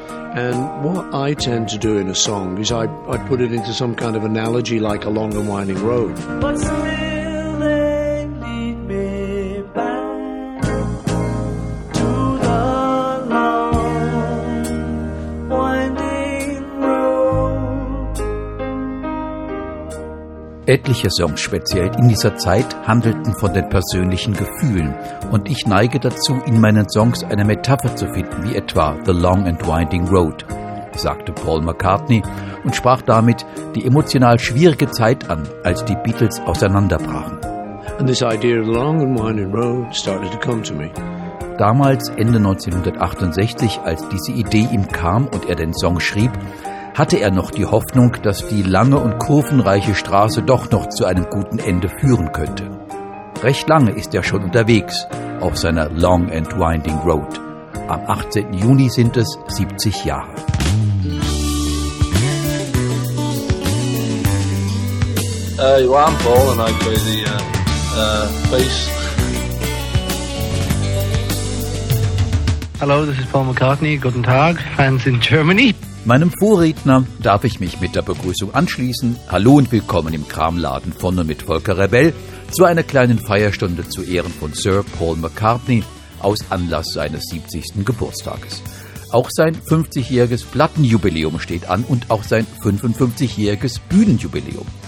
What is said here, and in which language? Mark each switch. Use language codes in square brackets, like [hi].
[en] And what I tend to do in a song is I put it into some kind of analogy, like a long and winding road. But still they lead me back to the long winding road. [de] Etliche Songs speziell in dieser Zeit handelten von den persönlichen Gefühlen. Und ich neige dazu, in meinen Songs eine Metapher zu finden, wie etwa The Long and Winding Road, sagte Paul McCartney und sprach damit die emotional schwierige Zeit an, als die Beatles auseinanderbrachen. [en] And this idea of the long and winding road started to come to me. [de] Damals, Ende 1968, als diese Idee ihm kam und er den Song schrieb, hatte er noch die Hoffnung, dass die lange und kurvenreiche Straße doch noch zu einem guten Ende führen könnte. Recht lange ist er schon unterwegs auf seiner Long and Winding Road. Am 18. Juni sind es 70 Jahre. [en] Well, I'm Paul and I play the bass. Hello, this is Paul McCartney. [de] Guten Tag, [en] fans in Germany. [de] Meinem Vorredner darf ich mich mit der Begrüßung anschließen. Hallo und willkommen im Kramladen von und mit Volker Rebell zu einer kleinen Feierstunde zu Ehren von Sir Paul McCartney aus Anlass seines 70. Geburtstages. Auch sein 50-jähriges Plattenjubiläum steht an und auch sein 55-jähriges Bühnenjubiläum.